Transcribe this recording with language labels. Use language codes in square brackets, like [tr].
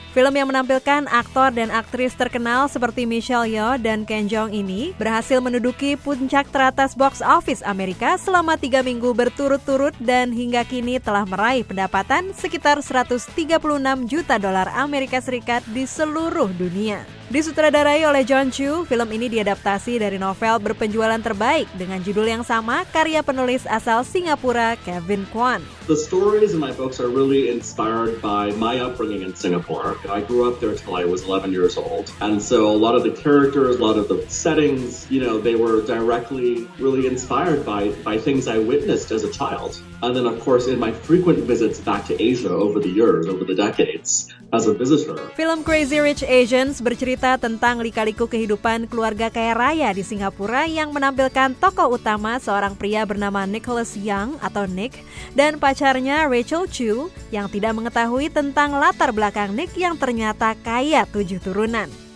[id] Film yang menampilkan aktor dan aktris terkenal seperti Michelle Yeoh dan Ken Jeong ini berhasil menduduki puncak teratas box office Amerika selama 3 minggu berturut-turut dan hingga kini telah meraih pendapatan sekitar 136 juta dolar Amerika Serikat di seluruh dunia. Disutradarai oleh John Chu, film ini diadaptasi dari novel berpenjualan terbaik dengan judul yang sama karya penulis asal Singapura Kevin Kwan. [en] The stories in my books are really inspired by my upbringing in Singapore. I grew up there till I was 11 years old. And so a lot of the characters, a lot of the settings, you know, they were directly really inspired by things I witnessed as a child. And then of course in my frequent visits back to Asia over the years, over the decades as a visitor. [id] Film Crazy Rich Asians bercerita tentang lika-liku kehidupan keluarga kaya raya di Singapura yang menampilkan tokoh utama seorang pria bernama Nicholas Yang atau Nick dan pacarnya Rachel Chu yang tidak mengetahui tentang latar belakang Nick yang ternyata kaya 7 turunan.